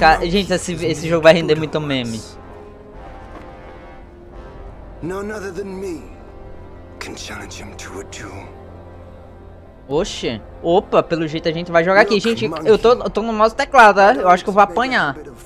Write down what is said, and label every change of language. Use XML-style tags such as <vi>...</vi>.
<pt>Gente, esse jogo vai render muito meme.</pt> <en>None other than me can challenge him to a duel.</en> <pt>Oxe. Opa, pelo jeito a gente vai jogar aqui. Gente, eu tô no mouse teclado, né? Eu acho que eu vou apanhar.</pt>